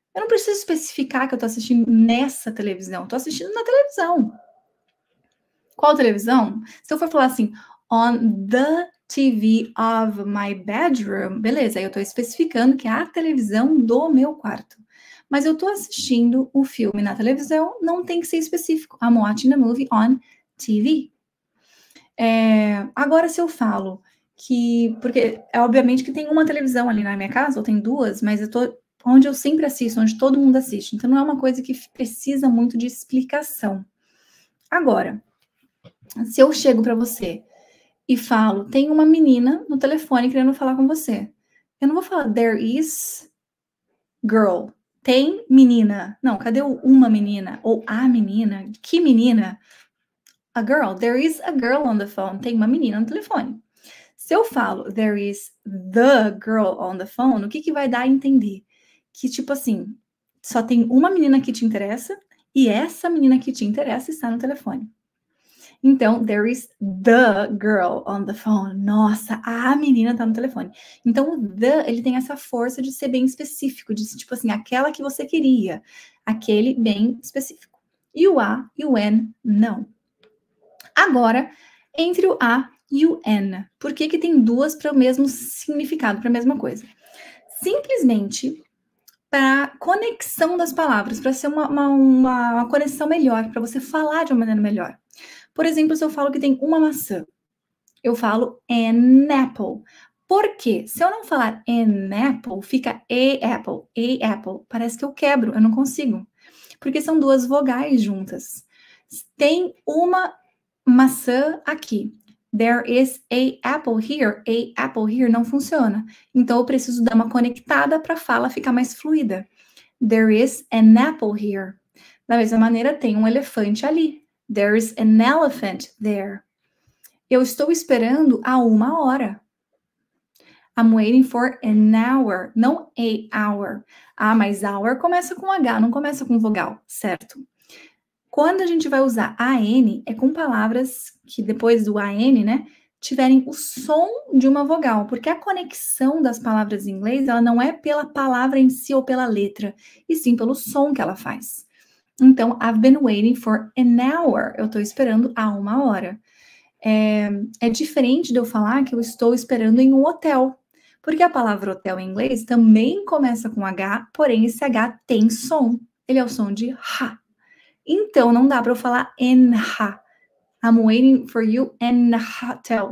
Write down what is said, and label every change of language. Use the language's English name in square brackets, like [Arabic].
[Portuguese] Eu não preciso especificar que eu tô assistindo nessa televisão. Tô assistindo na televisão. Qual televisão? Se eu for falar assim, [English] on the TV of my bedroom, [Portuguese] beleza, aí eu estou especificando que é a televisão do meu quarto. Mas eu estou assistindo o um filme na televisão, não tem que ser específico. [English] I'm watching a movie on TV. [Portuguese] Agora, se eu falo que. Porque é obviamente que tem uma televisão ali na minha casa, ou tem duas, mas eu estou onde eu sempre assisto, onde todo mundo assiste. Então não é uma coisa que precisa muito de explicação. Agora, se eu chego para você. E falo, tem uma menina no telefone querendo falar com você. Eu não vou falar, [English] there is girl. [Portuguese] Tem menina. Não, cadê o uma menina? Ou a menina? Que menina? A girl. [English] There is a girl on the phone. [Portuguese] Tem uma menina no telefone. Se eu falo, [English] there is the girl on the phone, [Portuguese] o que que vai dar a entender? Que tipo assim, só tem uma menina que te interessa e essa menina que te interessa está no telefone. [English] Então, there is the girl on the phone. [Portuguese] Nossa, a menina tá no telefone. Então, the, ele tem essa força de ser bem específico, de ser tipo assim, aquela que você queria. Aquele bem específico. E o a e o an, não. Agora, entre o a e o an, por que que tem duas para o mesmo significado, para a mesma coisa? Simplesmente para conexão das palavras, para ser uma conexão melhor, para você falar de uma maneira melhor. Por exemplo, se eu falo que tem uma maçã, eu falo [English] an apple. [Portuguese] Por quê? Se eu não falar [English] an apple, [Portuguese] fica [English] a apple. [Portuguese] Parece que eu quebro, eu não consigo. Porque são duas vogais juntas. Tem uma maçã aqui. [English] There is a apple here [Portuguese] não funciona. Então eu preciso dar uma conectada para a fala ficar mais fluida. [English] There is an apple here. [Portuguese] Da mesma maneira, tem um elefante ali. [English] There is an elephant there. [Portuguese] Eu estou esperando há uma hora. [English] I'm waiting for an hour, [Portuguese] não [English] a hour. [Portuguese] Ah, mas hour começa com H, não começa com vogal, certo? Quando a gente vai usar an, é com palavras que depois do an, né, tiverem o som de uma vogal, porque a conexão das palavras em inglês, ela não é pela palavra em si ou pela letra, e sim pelo som que ela faz. [English] Então, I've been waiting for an hour. [Portuguese] Eu estou esperando há uma hora. É diferente de eu falar que eu estou esperando em um hotel. Porque a palavra hotel em inglês também começa com H, porém esse H tem som. Ele é o som de ha. Então, não dá para eu falar an ha. [English] I'm waiting for you an hotel.